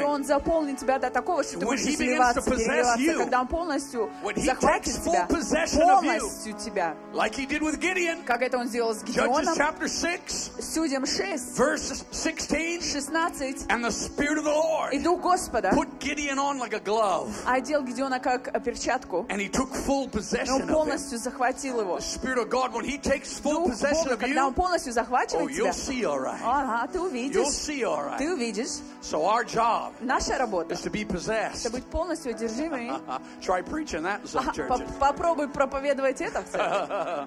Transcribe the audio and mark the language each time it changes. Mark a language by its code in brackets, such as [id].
[ru] И он заполнит тебя до такого, что ты будешь изливаться, переливаться, когда он полностью захватит тебя, полностью тебя. [en] Like he did with Gideon. [ru] Как это он сделал с Гидеоном. [en] Judges chapter 6. [ru] Судьям 6. [en] Verse 16. [ru] 16. [en] And the Spirit of the Lord. Put Gideon on like a glove. [ru] Одел Гидеона как перчатку. [en] And he took full possession of [ru] him. Он полностью захватил его. [en] The Spirit of God, when he takes full possession of you, [ru] когда он полностью захватывает тебя, [en] oh, you'll see all right. [ru] Ага, ты увидишь. [en] You'll see all right. [ru] Ты увидишь. [en] So our job, [ru] наша работа, [en] is to be possessed. [ru] Это быть полностью одержимыми. [en] Try preaching that in some churches. [ru] Попробуй проповедовать это в церкви.